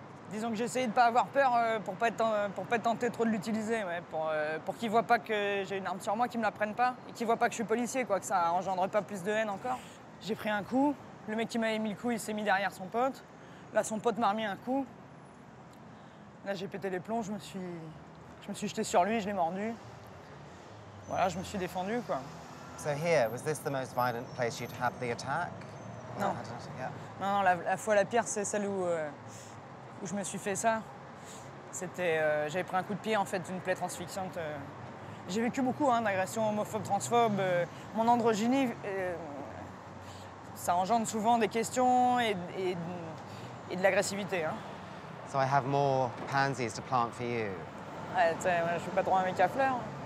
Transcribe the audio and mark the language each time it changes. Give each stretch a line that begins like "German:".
French: Disons que j'essayais de pas avoir peur pour pas être tenté trop de l'utiliser, ouais, pour qu'ils voient pas que j'ai une arme sur moi, qu'ils me la prennent pas, et qu'ils voient pas que je suis policier, quoi, que ça engendre pas plus de haine encore. J'ai pris un coup, le mec qui m'avait mis le coup, il s'est mis derrière son pote. Là, son pote m'a remis un coup. Là, j'ai pété les plombs, je me suis jeté sur lui, je l'ai mordu. Voilà, je me suis défendu, quoi.
English: So here, was this the most violent place you'd had the attack?
French: Non.
English: Yeah.
French: Non, la fois la pire, c'est celle où je me suis fait ça. C'était, j'avais pris un coup de pied en fait d'une plaie transfixiante. J'ai vécu beaucoup hein, d'agressions homophobes, transphobes. Mon androgynie, ça engendre souvent des questions et de l'agressivité. Hein.
English: So I have more pansies to plant for you.
French: Ouais, moi, je suis pas droit avec la fleur.